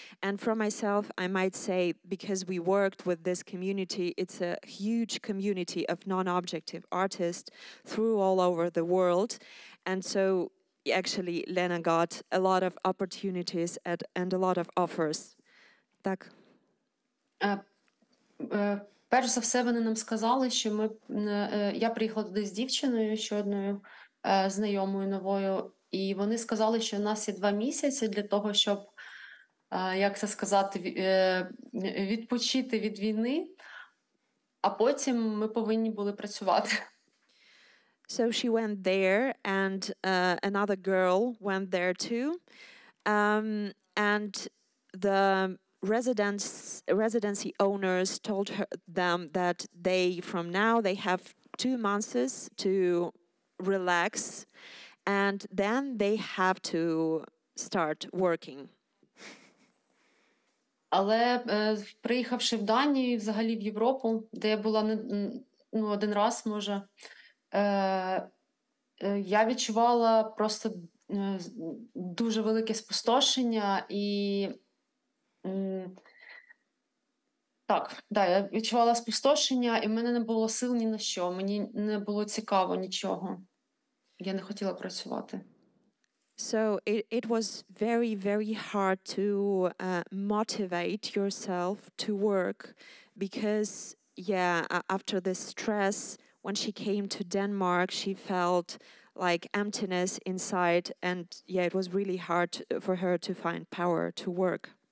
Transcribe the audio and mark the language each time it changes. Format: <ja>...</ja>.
<en>And for myself, I might say, because we worked with this community, it's a huge community of non-objective artists through all over the world. And so actually Lena got a lot of opportunities and a lot of offers.</en> <uk>Так. Перш за все вони нам сказали, що ми я приїхала туди з дівчиною, ще одною знайомою новою, і вони сказали, що у нас є 2 місяці для того, щоб як це сказати, відпочити від війни, а потім ми повинні були працювати.</uk> <en>So she went there and another girl went there too. And the residency owners told them that they from now they have 2 months to relax and then they have to start working.</en> <uk>Але приїхавши в Данію, взагалі в Європу, де я була один раз, може, я відчувала просто дуже велике спустошення і так, да, я відчувала спустошення, і в мене не було сил ні на що, мені не було цікаво нічого. Я не хотіла працювати.</uk> <en>So it was very, very hard to motivate yourself to work because, yeah, after this stress, when she came to Denmark, she felt like emptiness inside, and yeah, it was really hard for her to find power to work.</en>